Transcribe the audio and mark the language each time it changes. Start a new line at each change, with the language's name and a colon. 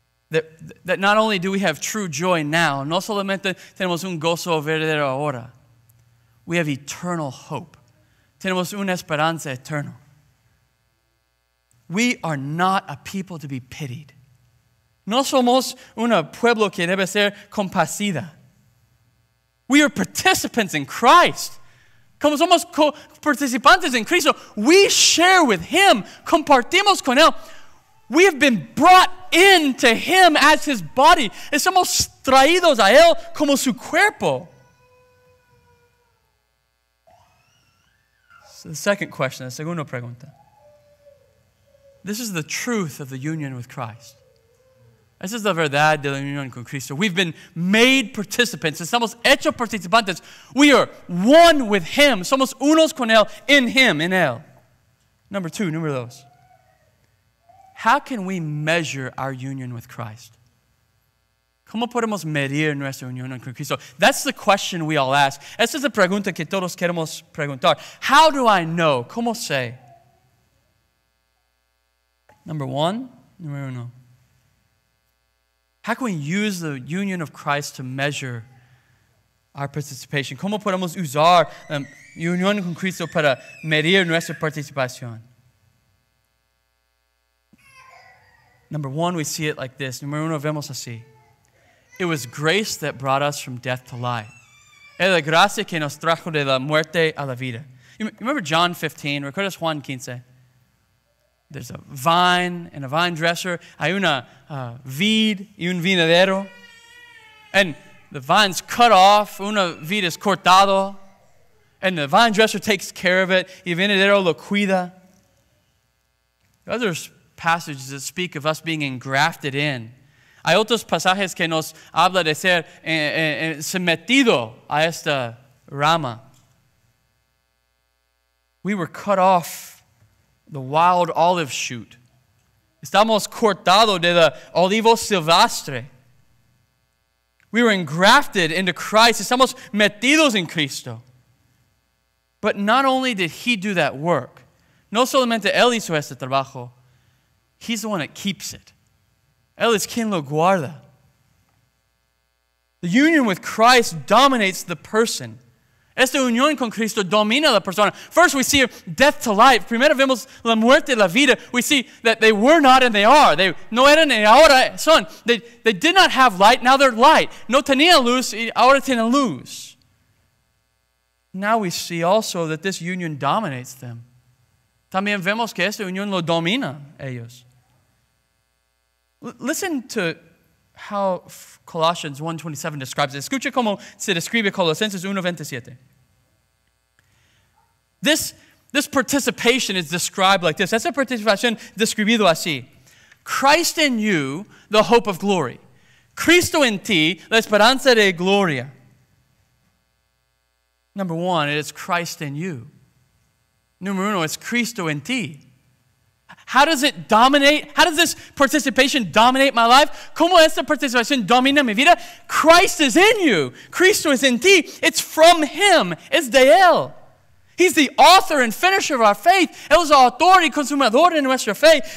English: That not only do we have true joy now,
Spanish: no solamente tenemos un gozo verdadero ahora,
English: we have eternal hope.
Spanish: Tenemos una esperanza eterna.
English: We are not a people to be pitied.
Spanish: No somos un pueblo que debe ser compasida.
English: We are participants in Christ.
Spanish: Como somos participantes en Cristo,
English: we share with him.
Spanish: Compartimos con él.
English: We have been brought into him as his body.
Spanish: Estamos traídos a él como su cuerpo.
English: So the second question,
Spanish: la segunda pregunta.
English: This is the truth of the union with Christ. This is the
Spanish: verdad de la unión con Cristo.
English: We've been made participants.
Spanish: Somos hechos participantes.
English: We are one with him.
Spanish: Somos unos con él,
English: in him,
Spanish: in él.
English: Number two,
Spanish: número dos.
English: How can we measure our union with Christ?
Spanish: ¿Cómo podemos medir nuestra unión con Cristo?
English: That's the question we all ask.
Spanish: Esa es la pregunta que todos queremos preguntar.
English: How do I know?
Spanish: ¿Cómo sé? Número uno.
English: How can we use the union of Christ to measure our participation?
Spanish: ¿Cómo podemos usar la unión con Cristo para medir nuestra participación?
English: Number one, we see it like this.
Spanish: Número uno, vemos así.
English: It was grace that brought us from death to life.
Spanish: Es la gracia que nos trajo de la muerte a la vida.
English: You remember John 15?
Spanish: ¿Recuerdas Juan 15?
English: There's a vine and a vine dresser.
Spanish: Hay una vid y un vinadero.
English: And the vine's cut off.
Spanish: Una vid es cortado.
English: And the vine dresser takes care of it.
Spanish: Y el vinadero lo cuida.
English: The other passages that speak of us being engrafted in.
Spanish: Hay otros pasajes que nos habla de ser sometido a esta rama.
English: We were cut off the wild olive shoot.
Spanish: Estamos cortado de la olivo silvestre.
English: We were engrafted into Christ.
Spanish: Estamos metidos en Cristo.
English: But not only did he do that work,
Spanish: no solamente él hizo este trabajo,
English: he's the one that keeps it.
Spanish: Él es quien lo guarda.
English: The union with Christ dominates the person.
Spanish: Esta unión con Cristo domina la persona.
English: First, we see death to life.
Spanish: Primero vemos la muerte, la vida.
English: We see that they were not and they are. They
Spanish: no eran y ahora son.
English: They did not have light, now they're light.
Spanish: No tenían luz y ahora tienen luz.
English: Now we see also that this union dominates them.
Spanish: También vemos que esta unión lo domina ellos.
English: Listen to how Colossians 1:27 describes it.
Spanish: Escucha cómo se describe Colosenses 1:27.
English: This participation is described like this.
Spanish: Esa participación describido así.
English: Christ in you, the hope of glory.
Spanish: Cristo en ti, la esperanza de gloria.
English: Number one, it is Christ in you.
Spanish: Número uno,
English: it's
Spanish: Cristo en ti.
English: How does it dominate? How does this participation dominate my life?
Spanish: ¿Cómo esta participación domina mi vida?
English: Christ is in you.
Spanish: Cristo is in ti.
English: It's from him.
Spanish: Es de él.
English: He's the author and finisher of our faith.
Spanish: Él es autor y consumador de nuestra fe.